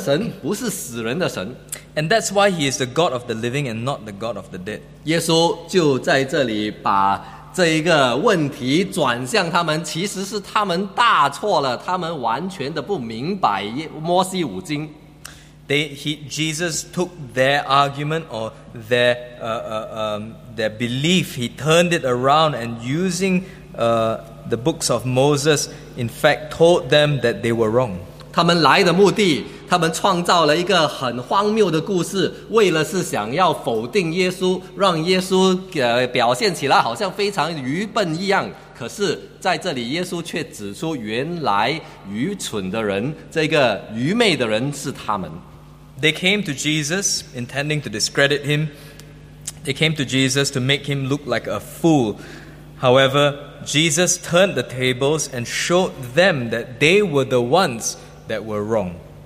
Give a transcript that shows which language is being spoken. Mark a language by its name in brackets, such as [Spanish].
[Chinese] 所以他才是活人的神，不是死人的神。 [English] And that's why he is the God of the living and not the God of the dead. [Chinese] 耶稣就在这里把这一个问题转向他们，其实是他们大错了，他们完全的不明白摩西五经。 [English] Jesus took their argument or their belief, he turned it around and using the books of Moses, in fact, told them that they were wrong. [Chinese] 他们来的目的，他们创造了一个很荒谬的故事，为了是想要否定耶稣，让耶稣表现起来好像非常愚笨一样。可是在这里，耶稣却指出，原来愚蠢的人，这个愚昧的人是他们。 [English] They came to Jesus intending to discredit him. They came to Jesus to make him look like a fool. However, Jesus turned the tables and showed them that they were the ones that were wrong.